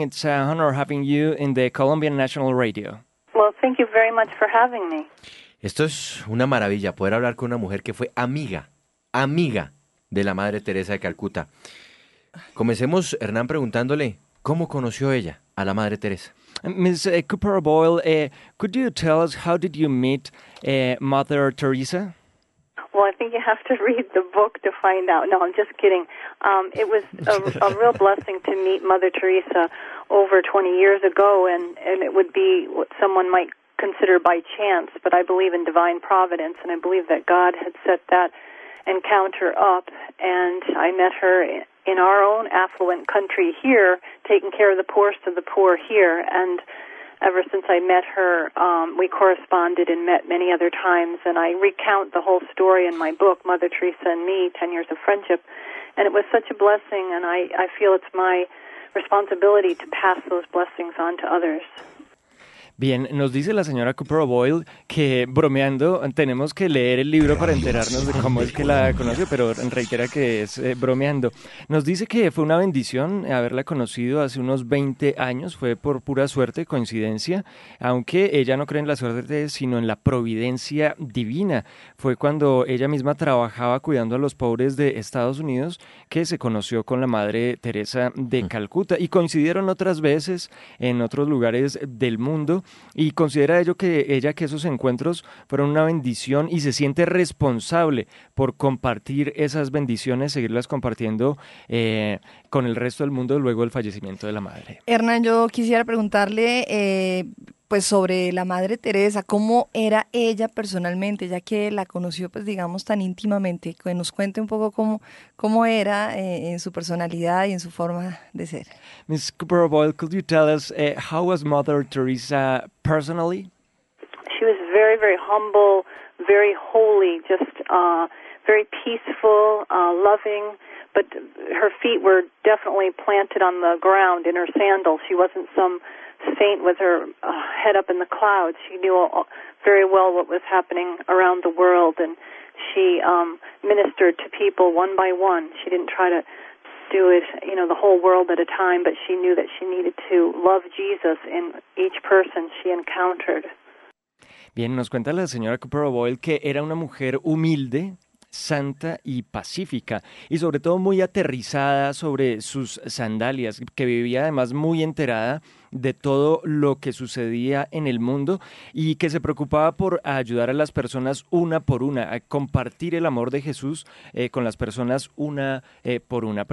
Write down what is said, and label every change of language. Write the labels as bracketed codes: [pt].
[en] It's an honor having you in the Colombian National Radio. Well, thank you very much for having me. [es] Esto es una maravilla, poder hablar con una mujer que fue amiga de la Madre Teresa de Calcuta. Comencemos, Hernán, preguntándole, ¿cómo conoció ella a la Madre Teresa? [en] Miss Cooper O'Boyle, could you tell us how did you meet Mother Teresa? Well, I think you have to read the book to find out. No, I'm just kidding. It was a real blessing to meet Mother Teresa over 20 years ago, and it would be what someone might consider by chance, but I believe in divine providence, and I believe that God had set that encounter up, and I met her in our own affluent country here, taking care of the poorest of the poor here, and ever since I met her, we corresponded and met many other times, and I recount the whole story in my book, Mother Teresa and Me, 10 Years of Friendship, and it was such a blessing, and I feel it's my responsibility to pass those blessings on to others. [es] Bien, nos dice la señora Cooper O'Boyle que, bromeando, tenemos que leer el libro para enterarnos de cómo es que la conoció, pero reitera que es bromeando. Nos dice que fue una bendición haberla conocido hace unos 20 años, fue por pura suerte, coincidencia, aunque ella no cree en la suerte, sino en la providencia divina. Fue cuando ella misma trabajaba cuidando a los pobres de Estados Unidos que se conoció con la Madre Teresa de Calcuta y coincidieron otras veces en otros lugares del mundo. Y considera ella que esos encuentros fueron una bendición y se siente responsable por compartir esas bendiciones, seguirlas compartiendo con el resto del mundo luego del fallecimiento de la madre. Hernán, yo quisiera preguntarle pues sobre la Madre Teresa, ¿cómo era ella personalmente, ya que la conoció pues digamos tan íntimamente? Que nos cuente un poco cómo era en su personalidad y en su forma de ser. [en] Miss Cooper O'Boyle, could you tell us how was Mother Teresa personally? She was very, very humble, very holy, just very peaceful, loving, but her feet were definitely planted on the ground in her sandals. She wasn't some saint with her head up in the clouds. She knew very well what was happening around the world, and she ministered to people one by one. She didn't try to do it, you know, the whole world at a time, but she knew that she needed to love Jesus in each person she encountered. [es] Bien, nos cuenta la señora Cooper O'Boyle que era una mujer humilde, santa y pacífica, y sobre todo muy aterrizada sobre sus sandalias, que vivía además muy enterada de todo lo que sucedía en el mundo y que se preocupaba por ayudar a las personas una por una, a compartir el amor de Jesús con las personas una por una.